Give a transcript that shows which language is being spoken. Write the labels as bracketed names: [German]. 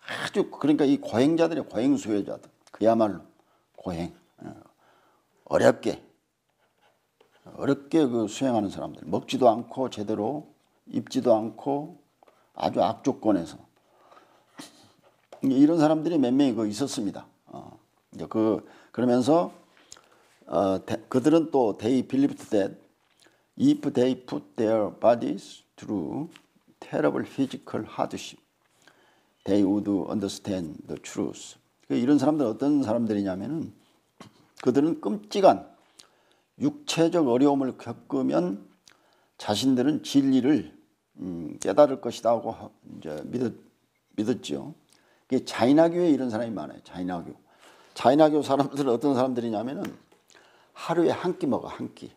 [Korean] 아주, 그러니까 이 고행자들이 고행 수행자들. 그야말로 고행. 어렵게 그 수행하는 사람들. 먹지도 않고 제대로 입지도 않고 아주 악조건에서 이런 사람들이 몇 명이 거 있었습니다. 이제 그러면서 그들은 또 [English] they believed that if they put their bodies through terrible physical hardship, they would understand the truth. [Korean] 이런 사람들 어떤 사람들이냐면은 그들은 끔찍한 육체적 어려움을 겪으면 자신들은 진리를 깨달을 것이다 하고 이제 믿었죠. 그게 자이나교에 이런 사람이 많아요. 자이나교. 자이나교 사람들은 어떤 사람들이냐면은 하루에 한 끼 먹어. 한 끼.